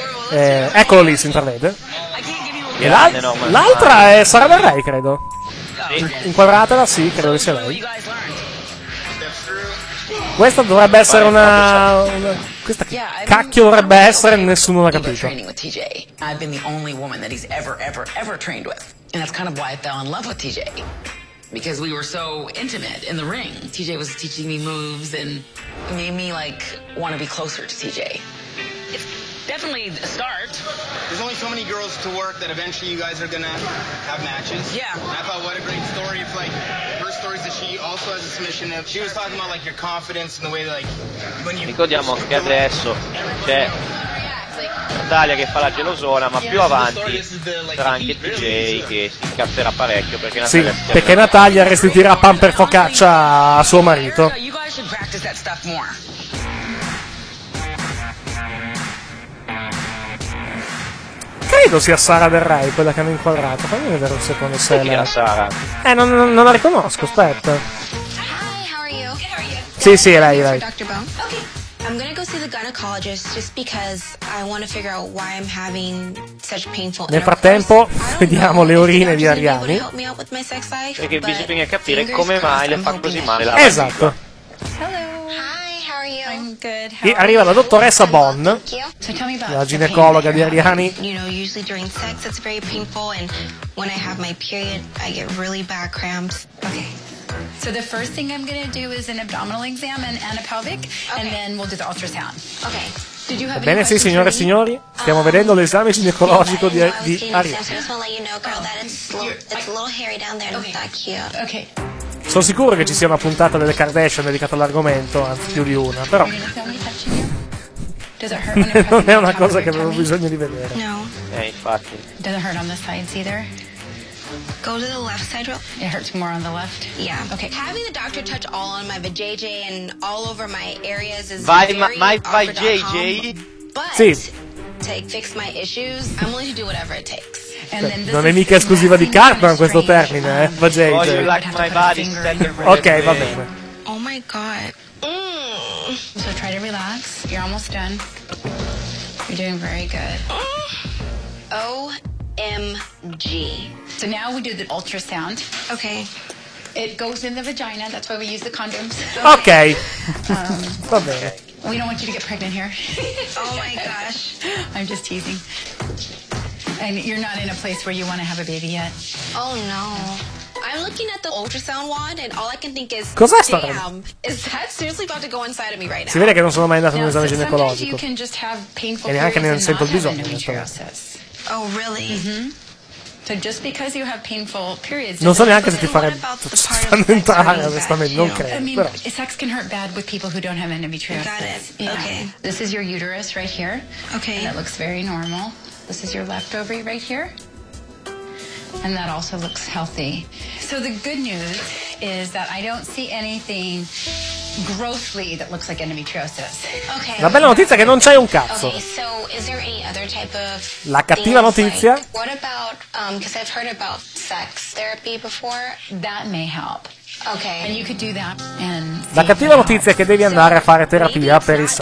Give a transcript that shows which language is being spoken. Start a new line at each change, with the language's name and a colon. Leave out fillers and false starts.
Italian: Eccolo lì, si intravede. E l'altra è Sara Del Rey, credo. Inquadratela, sì, credo che sia lei. Questa dovrebbe essere una questa cacchio dovrebbe essere, nessuno l'ha capito.
English: I've been the only woman that he's ever trained with. And that's kind of why I fell in love with TJ. Because we were so intimate in the ring. TJ was teaching me moves and made me like want to be closer to TJ. It's definitely a start. There's only so many girls to work that eventually you guys are gonna have matches. Yeah. And I thought what a great story if like her story is that she also has a submission. If she was talking about like your confidence and the way that, like when you
Italian: ricordiamo che adesso c'è Natalia che fa la gelosona, ma più avanti sarà anche TJ che si incazzerà parecchio, perché Natalia, sì, perché Natalia restituirà pan per focaccia a suo marito. Credo sia Sara Del Rey quella che hanno inquadrato, fammi vedere un secondo se è Sara. Non la riconosco, aspetta. Sì, sì, è lei, lei.
English: I'm gonna go see the gynecologist just because I want to figure out why I'm having such painful.
Italian: Nel frattempo, vediamo le urine di Ariane. Perché bisogna capire come mai le fa così male la. Esatto.
English: Hello. Hi, how are you? I'm good.
Italian: E arriva la dottoressa Bonn, la ginecologa di Ariane.
English: You know, usually during sex it's very painful, and when I have my period I get really bad cramps. Okay. So the first thing I'm gonna do is an abdominal exam and a pelvic, okay. And then we'll do the ultrasound. Okay. Did you have
Italian: bene, sì, signore e signori, stiamo vedendo l'esame ginecologico di Ariane.
English: Just wanna let you know, girl, that it's a little hairy down there, not that cute. Okay.
Italian: Sono sicuro che ci sia una puntata delle Kardashian dedicata all'argomento, anzi più di una, però. Non è una cosa che avevo bisogno di vedere. No. Infatti.
English: Doesn't hurt on the sides either. Go to the left side real. It hurts more on the left. Yeah. Okay. Having the doctor touch all on my vajayjay and all over my areas is But sì. To fix my issues, I'm willing to do whatever it takes.
Italian: Non è mica esclusiva di Cartman questo termine, eh?
English: Vajayjay. Oh, like my body.
Italian: Ok, va bene.
English: Oh my god. So try to relax. You're almost done. You're doing very good. OMG. So now we do the ultrasound. Okay. It goes in the vagina. That's why we use the condoms.
Italian: Ok. Va bene.
English: We don't want you to get pregnant here. Oh my gosh. I'm just teasing. And you're not in a place where you want to have a baby yet. Oh no. I'm looking at the ultrasound wand and all I can think is,
Italian: cos'è damn, stato?
English: Is that seriously about to go inside of me right now?
Italian: Si vede che non sono mai andato in un esame ginecologico.
English: You can just have painful
Italian: e neanche ne sento il bisogno.
English: Oh really? Mm-hmm. So just because you have painful periods,
Italian: non so neanche se ti fanno entrare, onestamente, non credo.
English: I mean, sex can hurt bad with people who don't have endometriosis. Got it. Yeah. Okay. This is your uterus right here. Okay. And it looks very normal. This is your left ovary right here. And that also looks healthy. So the good news is that I don't see anything grossly that looks like endometriosis. Okay.
Italian: La bella notizia è che non c'hai un cazzo.
English: Okay, so is there any other type of
Italian: la cattiva notizia?
English: Like, what about because I've heard about sex therapy before. That may help. Okay. And you could do that. And
Italian: la cattiva notizia è che devi andare a fare terapia per il sesso.